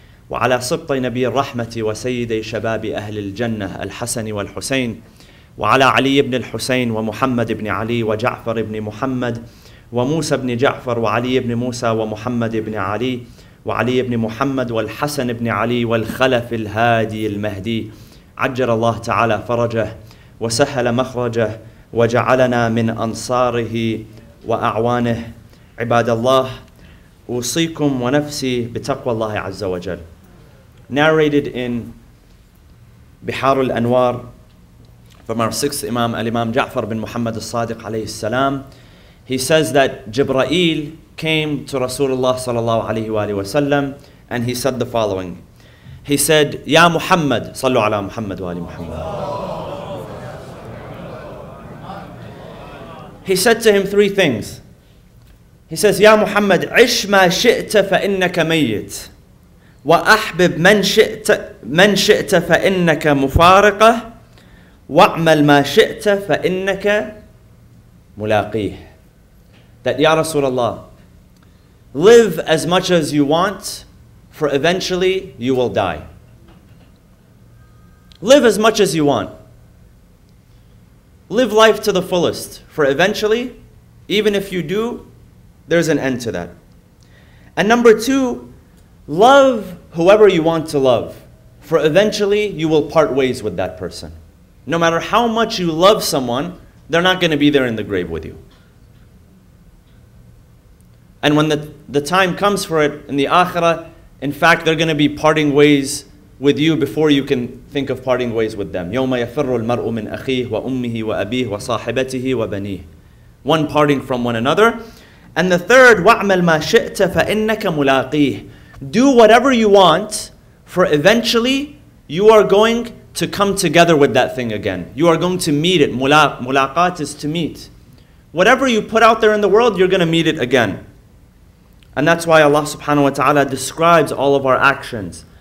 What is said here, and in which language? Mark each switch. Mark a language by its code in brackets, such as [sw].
[ar] وعلى سبط نبي الرحمة وسيدي شباب أهل الجنة الحسن والحسين، وعلى علي بن الحسين ومحمد بن علي وجعفر بن محمد وموسى بن جعفر وعلي بن موسى ومحمد بن علي وعلي بن محمد والحسن بن علي والخلف الهادي المهدي، عجل الله تعالى فرجه وسهل مخرجه وجعلنا من أنصاره وأعوانه. عباد الله، أوصيكم ونفسي بتقوى الله عز وجل. [en] Narrated in بحار الأنوار from our sixth Imam, Imam Ja'far bin Muhammad al-Sadiq alayhi salam, he says that Jibreel came to Rasulullah sallallahu alayhi wa sallam and he said the following. He said, Ya Muhammad, sallu ala Muhammad wa ali Muhammad. He said to him three things. He says, [ar] Ya Muhammad, عش ما شئت فإنك ميت وأحبب من شئت فإنك مفارقة وعمل ما شئت فإنك ملاقيه. [en] That Ya Rasulullah, live as much as you want, for eventually you will die. Live as much as you want. Live life to the fullest, for eventually, even if you do, there's an end to that. And number two, love whoever you want to love, for eventually you will part ways with that person. No matter how much you love someone, they're not going to be there in the grave with you. And when the time comes for it in the akhirah, in fact, they're going to be parting ways with you before you can think of parting ways with them. [ar] يَوْمَ يَفِرُّ الْمَرْءُ مِنْ أَخِيهِ وَأُمِّهِ وَأَبِيهِ وَصَاحِبَتِهِ وَبَنِيهِ. [en] One parting from one another. And the third, [ar] وَعْمَلْ مَا شِئْتَ فَإِنَّكَ مُلَاقِيهِ. [en] Do whatever you want, for eventually you are going to come together with that thing again. You are going to meet it. ملاقات is to meet. Whatever you put out there in the world, you're going to meet it again. And that's why Allah subhanahu wa ta'ala describes all of our actions.